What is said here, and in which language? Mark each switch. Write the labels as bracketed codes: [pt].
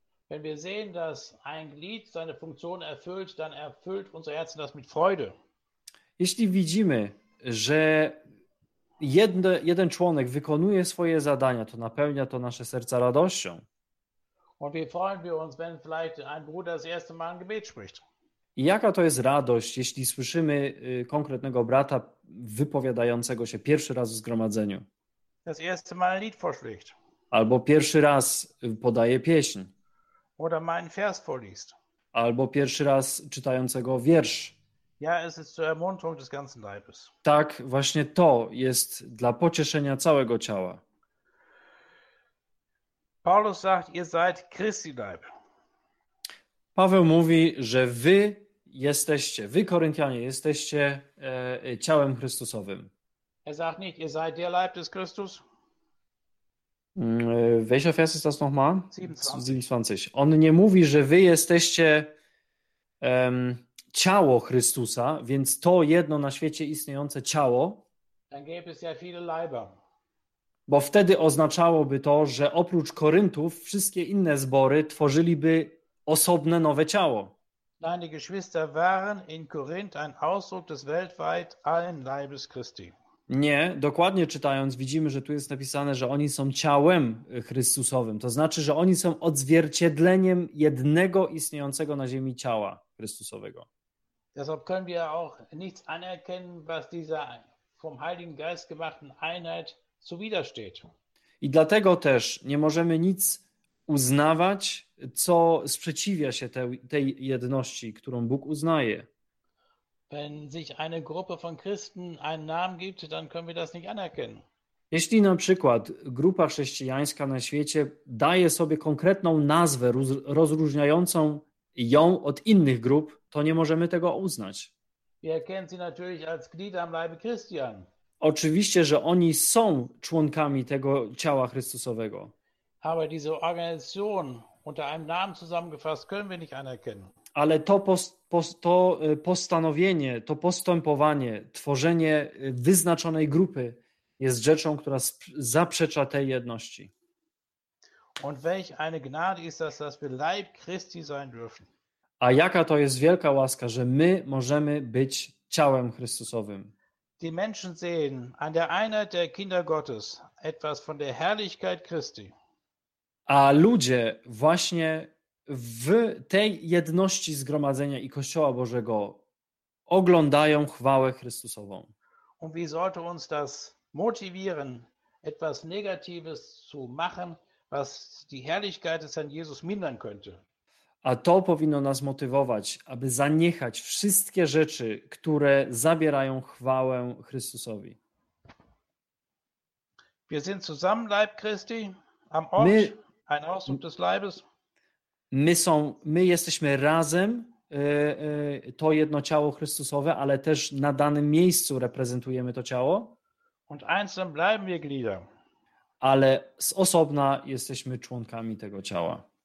[de] Wenn wir sehen, dass ein Glied seine Funktion erfüllt, dann erfüllt unser Herz das mit Freude. [pl] Jeśli widzimy, że jeden członek wykonuje swoje zadania, to napełnia to nasze serca radością. [de] Und wie freuen wir uns, wenn vielleicht ein Bruder das erste Mal ein Gebet spricht? [pl] I jaka to jest radość, jeśli słyszymy konkretnego brata wypowiadającego się pierwszy raz w zgromadzeniu. [de] Das erste Mal ein Lied vorspricht. [pl] Albo pierwszy raz podaje pieśń. [de] Oder meinen Vers vorliest. [pl] Albo pierwszy raz czytającego wiersz. [de] Ja, es ist zur Ermunterung des ganzen Leibes. [pl] Tak, właśnie to jest dla pocieszenia całego ciała. [de] Paulus sagt, ihr seid Christi Leib. [pl] Paweł mówi, że wy jesteście, wy Koryntianie, jesteście ciałem Chrystusowym. [de] Er sagt nicht, ihr seid der Leib des Christus. Welcher Vers ist das nochmal? 27. [pl] On nie mówi, że wy jesteście ciało Chrystusa, więc to jedno na świecie istniejące ciało. [de] Dann gäbe es ja viele Leiber. [pl] Bo wtedy oznaczałoby to, że oprócz Koryntów wszystkie inne zbory tworzyliby osobne nowe ciało. [de] Nein, die Geschwister waren in Korinth ein Ausdruck des weltweit allen Leibes Christi. [pl] Nie, dokładnie czytając widzimy, że tu jest napisane, że oni są ciałem Chrystusowym. To znaczy, że oni są odzwierciedleniem jednego istniejącego na ziemi ciała Chrystusowego. [de] Deshalb können wir auch nichts anerkennen, was dieser vom Heiligen Geist gemachten Einheit zuwidersteht. [pl] I dlatego też nie możemy nic uznawać, co sprzeciwia się tej jedności, którą Bóg uznaje. [de] Wenn sich eine Gruppe von Christen einen Namen gibt, dann können wir das nicht anerkennen. [pl] Jeśli na przykład grupa chrześcijańska na świecie daje sobie konkretną nazwę rozróżniającą ją od innych grup, to nie możemy tego uznać. [de] Wir erkennen sie natürlich als Glied am Leibe Christi an. [pl] Oczywiście, że oni są członkami tego ciała Chrystusowego. [de] Aber diese Organisation unter einem Namen zusammengefasst können wir nicht anerkennen. [pl] Ale to postanowienie, to postępowanie, tworzenie wyznaczonej grupy jest rzeczą, która zaprzecza tej jedności. [de] Und welch eine Gnade ist das, dass wir Leib Christi sein dürfen. [pl] A jaka to jest wielka łaska, że my możemy być ciałem Chrystusowym. [de] Die Menschen sehen an der Einheit der Kinder Gottes etwas von der Herrlichkeit Christi. [pl] A ludzie właśnie w tej jedności zgromadzenia i Kościoła Bożego oglądają chwałę Chrystusową. [de] Und wie sollte uns das motivieren, etwas Negatives zu machen, was die Herrlichkeit des Herrn Jesus mindern könnte? [pl] A to powinno nas motywować, aby zaniechać wszystkie rzeczy, które zabierają chwałę Chrystusowi. [de] Wir sind zusammen Leib Christi am Ort, ein Ausdruck des Leibes. [pl] My jesteśmy razem, to jedno ciało Chrystusowe, ale też na danym miejscu reprezentujemy to ciało. [de] Und einzeln bleiben wir Glieder. [pl] Ale z osobna jesteśmy członkami tego ciała.